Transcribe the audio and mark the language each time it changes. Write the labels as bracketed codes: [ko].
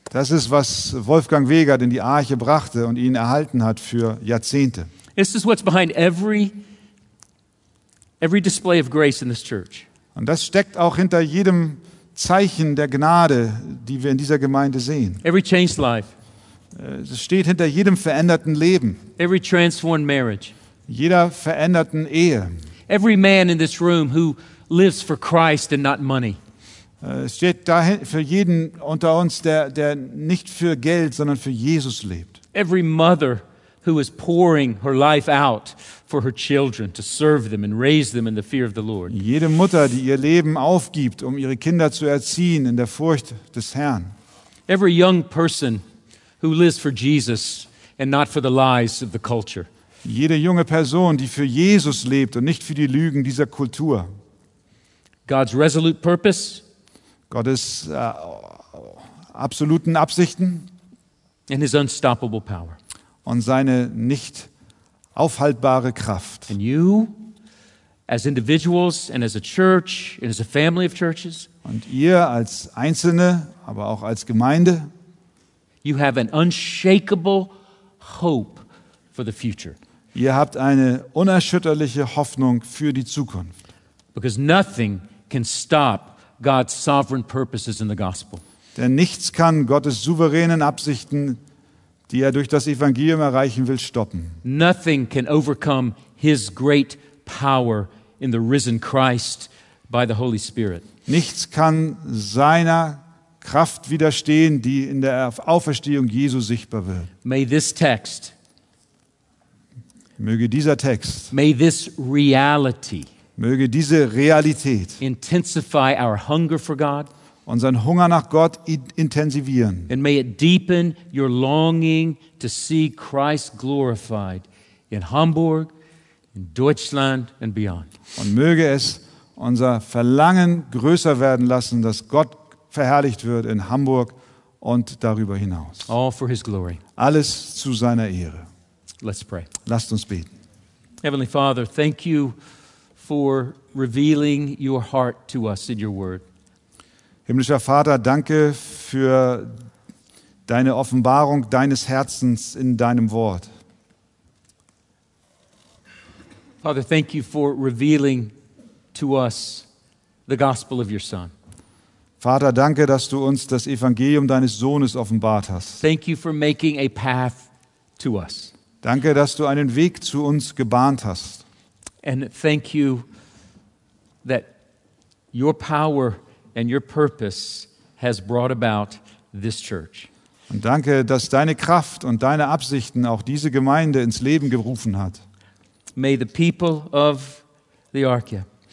[de] Das ist, was Wolfgang Wegert in die Arche brachte und ihn erhalten hat für Jahrzehnte. [en] This is what's behind every display of grace in this church. [de] Und das steckt auch hinter jedem Zeichen der Gnade, die wir in dieser Gemeinde sehen. [en] Every changed life. [de] Es steht hinter jedem veränderten Leben. [en] Every transformed marriage. [de] Jeder veränderten Ehe. [en] Every man in this room who lives for Christ and not money. [de] Es steht dahin für jeden unter uns, der nicht für Geld, sondern für Jesus lebt. [en] Every mother who is pouring her life out for her children to serve them and raise them in the fear of the Lord. [de] Jede Mutter, die ihr Leben aufgibt, um ihre Kinder zu erziehen in der Furcht des Herrn. [en] Every young person who lives for Jesus and not for the lies of the culture. [de] Jede junge Person, die für Jesus lebt und nicht für die Lügen dieser Kultur. [en] God's resolute purpose. [de] Gottes absoluten Absichten. [en] And his unstoppable power. [de] Und seine nicht aufhaltbare Kraft. [en] And you, as individuals and as a church and as a family of churches. [de] Und ihr als Einzelne, aber auch als Gemeinde. [en] You have an unshakable hope for the future. [de] Ihr habt eine unerschütterliche Hoffnung für die Zukunft. [en] Because nothing can stop God's sovereign purposes in the gospel. [de] Denn nichts kann Gottes souveränen Absichten, die er durch das Evangelium erreichen will, stoppen. [en] Nothing can overcome his great power in the risen Christ by the Holy Spirit. [de] Nichts kann seiner Kraft widerstehen, die in der Auferstehung Jesu sichtbar wird. [en] May this text, [de] möge dieser Text, [en] may this reality, [de] möge diese Realität [en] intensify our hunger for God, [de] unseren Hunger nach Gott intensivieren. [en] And may it deepen your longing to see Christ glorified in Hamburg, in Deutschland and beyond. [de] Und möge es unser Verlangen größer werden lassen, dass Gott verherrlicht wird in Hamburg und darüber hinaus. [en] All for his glory. [de] Alles zu seiner Ehre. [en] Let's pray. [de] Lasst uns beten. [en] Heavenly Father, thank you for revealing your heart to us in your word. [de] Himmlischer Vater, danke für deine Offenbarung deines Herzens in deinem Wort. [en] Father, thank you for revealing to us the gospel of your Son. [de] Vater, danke, dass du uns das Evangelium deines Sohnes offenbart hast. [en] Thank you for making a path to us. [de] Danke, dass du einen Weg zu uns gebahnt hast. [en] And thank you that your power and your purpose has brought about this church. [de] Und danke, dass deine Kraft und deine Absichten auch diese Gemeinde ins Leben gerufen hat. [en] May the people of the Archaea.